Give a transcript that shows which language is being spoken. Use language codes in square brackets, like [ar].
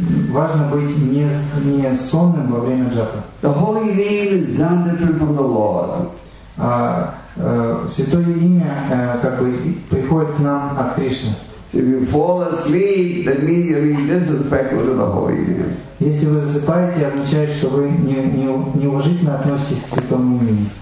[ru] Важно быть не сонным во время джапы. [en] The holy name is not different from the Lord. [ru] Святое имя как бы приходит к нам от Кришны. [en] So if you fall asleep, that means you're being disrespectful to the holy name. [ru] Если вы засыпаете, означает, что вы неуважительно относитесь к святому имени.